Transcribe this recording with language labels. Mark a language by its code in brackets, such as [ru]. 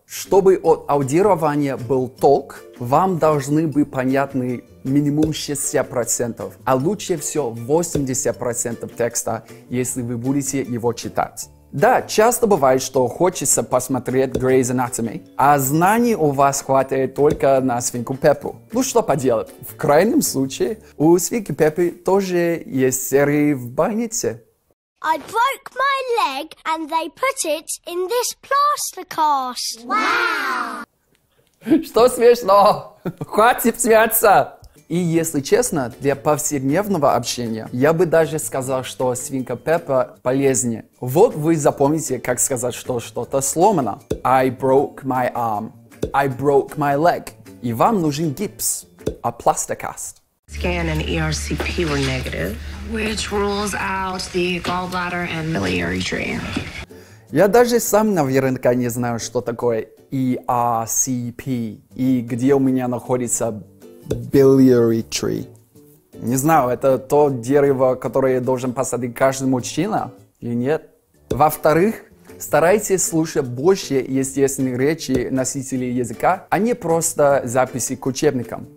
[ru] Чтобы от аудирования был толк, вам должны быть понятны минимум 60%, а лучше всего 80% текста, если вы будете его читать. Да, часто бывает, что хочется посмотреть Grey's Anatomy, а знаний у вас хватает только на свинку Пеппу. Ну что поделать, в крайнем случае, у свинки Пеппы тоже есть серии в больнице. [en] I broke my leg, and they put it in this plaster cast. Wow! [ru] Что смешно? Хватит смеяться! И если честно, для повседневного общения я бы даже сказал, что свинка Пеппа полезнее. Вот вы запомните, как сказать, что что-то сломано. [en] I broke my arm. I broke my leg. [ru] И вам нужен гипс. [en] A plaster cast. Scan and ERCP were negative, which rules out the gallbladder and biliary drain. [ru] Я даже сам наверняка не знаю, что такое ERCP и где у меня находится [en] biliary tree. [ru] Не знаю, это то дерево, которое должен посадить каждый мужчина или нет? Во-вторых, старайтесь слушать больше естественных речи носителей языка, а не просто записи к учебникам.